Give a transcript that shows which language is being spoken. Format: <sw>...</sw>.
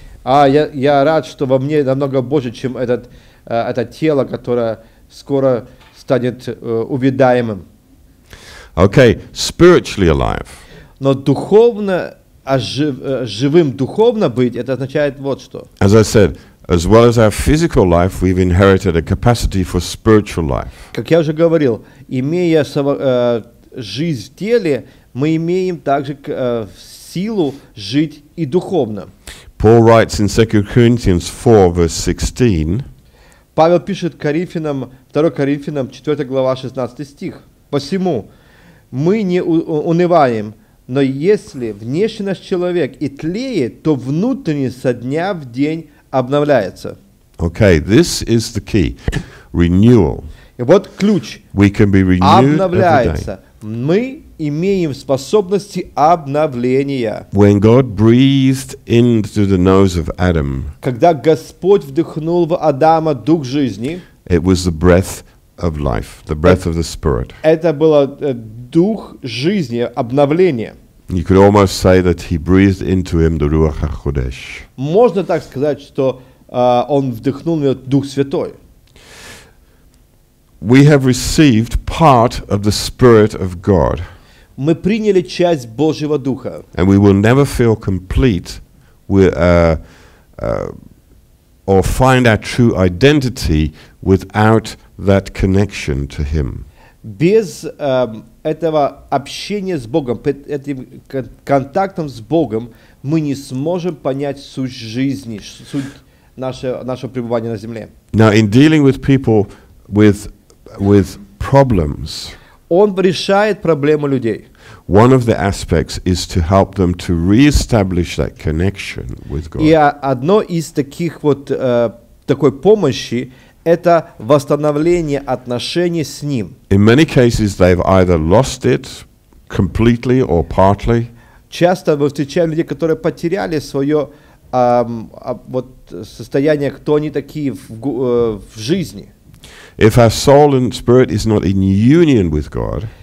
<ru>А я рад, что во мне намного больше, чем этот это тело, которое скоро станет увядаемым.</ru> <en>Okay, spiritually alive.</en> <ru>Но духовно живым духовно быть, это означает вот что.</ru> <en>As I said, as well as our physical life, we've inherited a capacity for spiritual life.</en> <ru>Как я уже говорил, имея жизнь в теле, мы имеем также силу жить и духовно.</ru> <en>Paul writes in 2 Corinthians 4, verse 16.</en> <ru>Павел пишет Коринфянам, 2 Коринфянам, 4 глава, 16 стих. Посему мы не унываем, но если внешне наш человек и тлеет, то внутренне со дня в день обновляется.</ru> <en>Okay, this is the key. Renewal.</en> <ru>И вот ключ.</ru> <en>We can be renewed every day.</en> <ru>Обновляется. Мы имеем способности обновления.</ru> <en>When God breathed into the nose of Adam,</en> <ru>когда Господь вдохнул в Адама дух жизни,</ru> <en>it was the breath of life, the breath of the Spirit.</en> <ru>Это было дух жизни, обновление.</ru> <en>You could almost say that he breathed into him the Ruach HaKodesh.</en> <ru>Можно так сказать, что он вдохнул в него дух святой.</ru> <en>We have received part of the Spirit of God.</en> <ru>Мы приняли часть Божьего Духа.</ru> <en>And we will never feel complete or find our true identity without that connection to Him.</en> <ru>Без этого общения с Богом, этим контактом с Богом, мы не сможем понять суть жизни, суть нашего пребывания на земле.</ru> <en>Now, in dealing with people with problems,</en> <ru>он решает проблему людей.</ru> <en>One of the aspects is to help them to re-establish that connection with God.</en> <ru>И одно из таких вот такой помощи – это восстановление отношений с Ним.</ru> <en>In many cases, they've either lost it completely or partly.</en> <ru>Часто мы встречаем людей, которые потеряли свое вот состояние, кто они такие в жизни.</ru> <en>If our soul and spirit is not in union with God,</en>